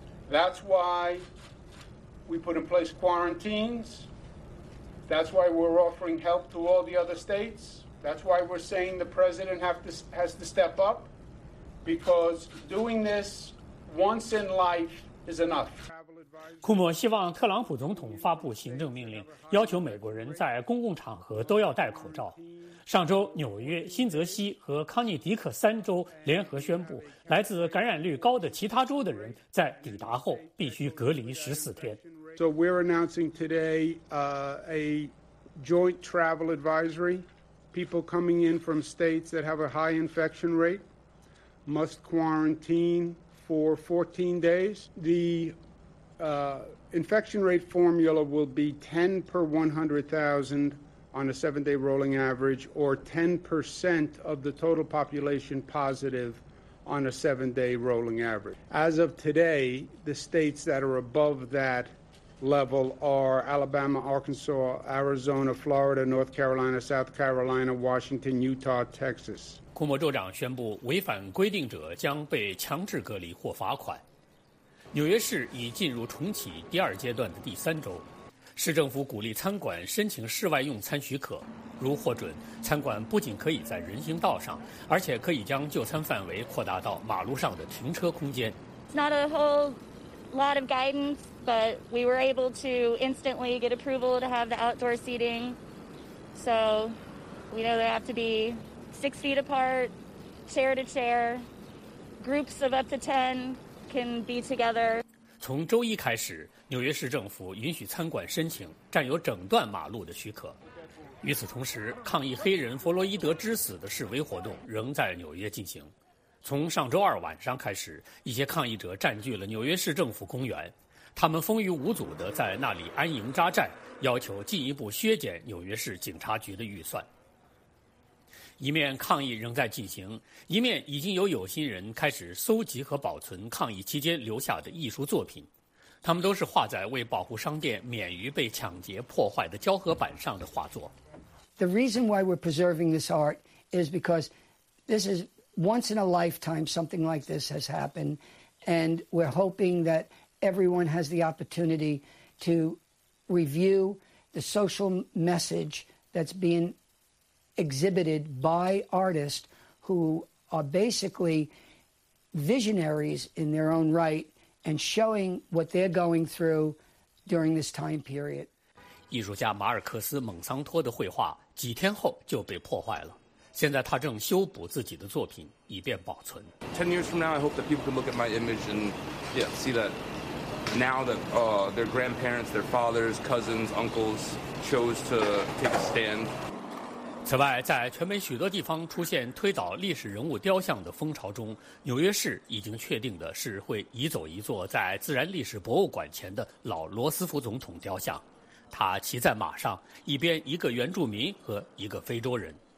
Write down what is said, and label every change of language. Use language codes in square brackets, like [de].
[en] That's why we put in place quarantines. That's why we're offering help to all the other states. That's why we're saying the president has to step up, because doing this once in life is enough. [zh] 库莫希望特朗普总统发布行政命令，要求美国人在公共场合都要戴口罩。上周，纽约、新泽西和康涅狄克3州联合宣布，来自感染率高的其他州的人在抵达后必须隔离14天。 [en] So we're announcing today, a joint travel advisory. People coming in from states that have a high infection rate must quarantine for 14 days. The infection rate formula will be 10 per 100,000 on a 7-day rolling average, or 10% of the total population positive on a 7-day rolling average. As of today, the states that are above that level are Alabama, Arkansas, Arizona, Florida, North Carolina, South Carolina, Washington, Utah, Texas. [zh] 库莫州长宣布，违反规定者将被强制隔离或罚款。纽约市已进入重启第二阶段的第3周，市政府鼓励餐馆申请室外用餐许可，如获准，餐馆不仅可以在人行道上，而且可以将就餐范围扩大到马路上的停车空间。 [en] It's not a whole lot of guidance, but we were able to instantly get approval to have the outdoor seating. So we know they have to be 6 feet apart, chair to chair, groups of up to 10. Can be together. [zh] 从周一开始，纽约市政府允许餐馆申请占有整段马路的许可。与此同时，抗议黑人弗洛伊德之死的示威活动仍在纽约进行。从上周二晚上开始，一些抗议者占据了纽约市政府公园，他们风雨无阻地在那里安营扎寨，要求进一步削减纽约市警察局的预算。一面抗议仍在进行，一面已经有心人开始搜集和保存抗议期间留下的艺术作品，他们都是画在为保护商店免于被抢劫破坏的胶合板上的画作。 [en] The reason why we're preserving this art is because this is once in a lifetime something like this has happened, and we're hoping that everyone has the opportunity to review the social message that's beingexhibited by artists who are basically visionaries in their own right and showing what they're going through during this time period. [zh] 艺术家马尔克斯·蒙桑托的绘画几天后就被破坏了，现在他正修补自己的作品以便保存。 [en] 10 years from now, I hope that people can look at my image and yeah, see that now that their grandparents, their fathers, cousins, uncles chose to take a stand. [zh] 此外，在全美许多地方出现推倒历史人物雕像的风潮中，纽约市已经确定的是会移走一座在自然历史博物馆前的老罗斯福总统雕像。他骑在马上，一边一个原住民和一个非洲人。